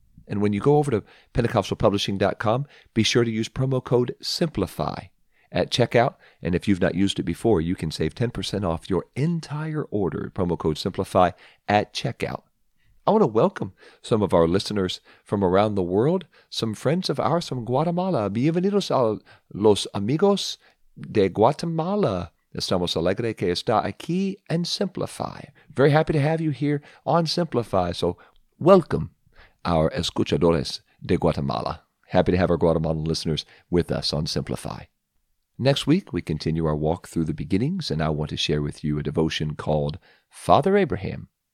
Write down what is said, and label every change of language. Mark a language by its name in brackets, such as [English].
[English] And when you go over to PentecostalPublishing.com, be sure to use promo code SIMPLIFY at checkout. And if you've not used it before, you can save 10% off your entire order. Promo code SIMPLIFY at checkout. I want to welcome some of our listeners from around the world, some friends of ours from Guatemala. [Spanish] Bienvenidos a los amigos de Guatemala. Estamos alegre que está aquí en Simplify. [English] Very happy to have you here on Simplify. So welcome our [Spanish] escuchadores de Guatemala. [English] Happy to have our Guatemalan listeners with us on Simplify. Next week, we continue our walk through the beginnings, and I want to share with you a devotion called Father Abraham.